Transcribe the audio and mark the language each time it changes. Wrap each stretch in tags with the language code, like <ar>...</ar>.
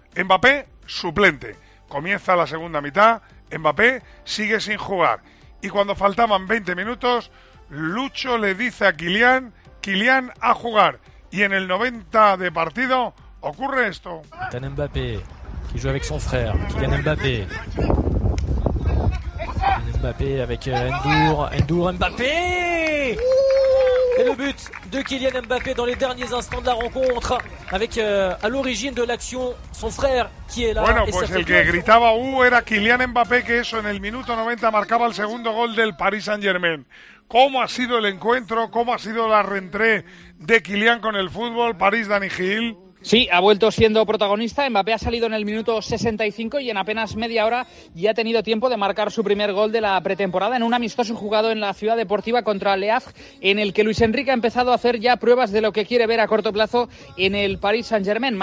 <es>Mbappé, suplente. Comienza la segunda mitad, Mbappé sigue sin jugar. Y cuando faltaban 20 minutos, Lucho le dice a Kylian, Kylian a jugar. Y en el 90 de partido ocurre esto. Kylian Mbappé, que juega con su hermano, Kylian Mbappé.</es> <fr>Mbappé avec Endur Mbappé. Et le but de Kylian Mbappé dans les derniers instants de la rencontre, avec à l'origine de l'action son frère qui est là.</fr> <es>Bueno, pues el que gritaba era Kylian Mbappé, que eso en el minuto 90 marcaba el segundo gol del Paris Saint-Germain. ¿Cómo ha sido el encuentro? ¿Cómo ha sido la reentrée de Kylian con el fútbol? París Dani Gil. Sí, ha vuelto siendo protagonista. Mbappé ha salido en el minuto 65 y en apenas media hora ya ha tenido tiempo de marcar su primer gol de la pretemporada en un amistoso jugado en la Ciudad Deportiva contra Le Havre, en el que Luis Enrique ha empezado a hacer ya pruebas de lo que quiere ver a corto plazo en el Paris Saint-Germain.</es>